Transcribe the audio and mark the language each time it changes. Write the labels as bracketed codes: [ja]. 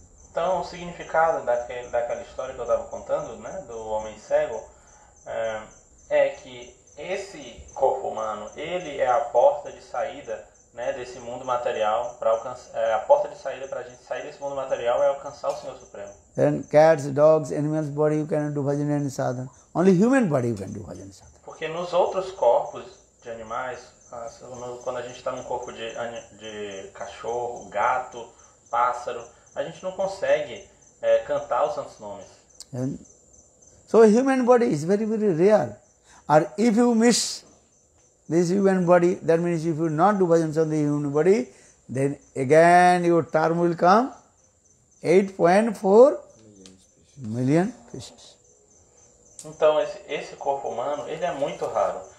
[pt] Então, o significado daquela história que eu estava contando, né, do homem cego, é que esse corpo humano, ele é a porta de saída, né, desse mundo material para alcançar, a porta de saída para a gente sair desse mundo material é alcançar o Senhor Supremo. [en] And cats, dogs, animals body you cannot do bhajan and sadhana. Only human body you can do bhajan and sadhana. [pt] Porque nos outros corpos de animais, quando a gente está num corpo de cachorro, gato, pássaro, a gente não consegue cantar os santos nomes. [en] And so a human body is very, very real. Or if you miss this human body, that means if you not do bhajan on the human body, then again your term will come 8.4 million species. [pt] Então esse corpo humano, ele é muito raro.